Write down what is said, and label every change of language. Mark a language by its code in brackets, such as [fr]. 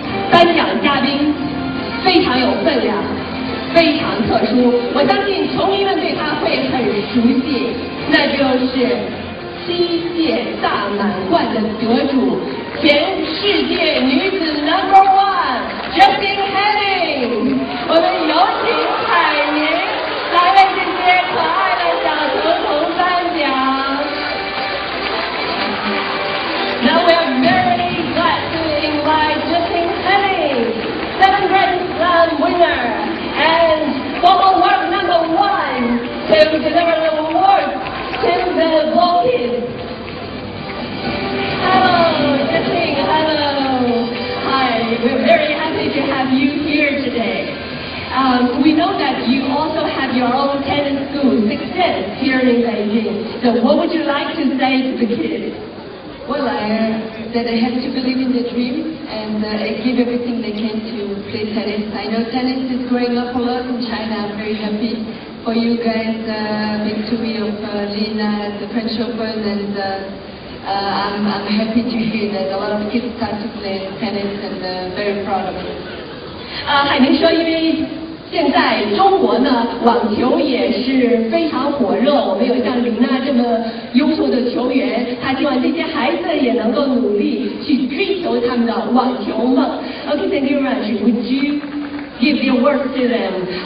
[zh] 颁奖嘉宾非常有分量，非常特殊，我相信球迷们对他会很熟悉，那就是七届大满贯的得主，前世界女子 [en] number one [zh] Justine Henin。我们有请海宁来为这些可爱的小球童颁奖。 [en] Now we are very glad to invite Justine Henin, 7 Grand Slam winner and former world number one, to deliver the award to the voting. Hello, Justine, hello. Hi, we're very happy to have you here today. We know that you also have your own tennis school, 6 kids, here in Beijing. So what would you like to say to the kids? Well, that they have to believe in their dream and give everything they can to play tennis. I know tennis is growing up a lot in China. I'm very happy for you guys, Victory of Lina, the French Open, and I'm happy to hear that a lot of kids start to play tennis and very proud of it. [zh] 海宁说，因为现在中国呢，网球也是非常火热，我们有像琳娜这么优秀的球员，她希望这些孩子也能够努力去追求他们的网球梦。 [en] Okay, thank you very much. Would you give your words to them?